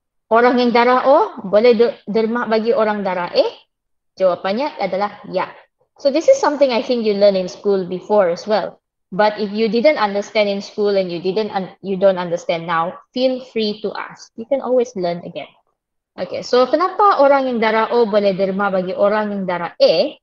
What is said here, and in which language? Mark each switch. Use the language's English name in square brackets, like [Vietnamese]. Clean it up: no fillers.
[Malay] Orang yang darah O boleh derma bagi orang darah A? Jawapannya adalah ya. [English] So this is something I think you learn in school before as well. But if you didn't understand in school and you don't understand now, feel free to ask. You can always learn again. [Malay] Okay, so kenapa orang yang darah O boleh derma bagi orang yang darah A?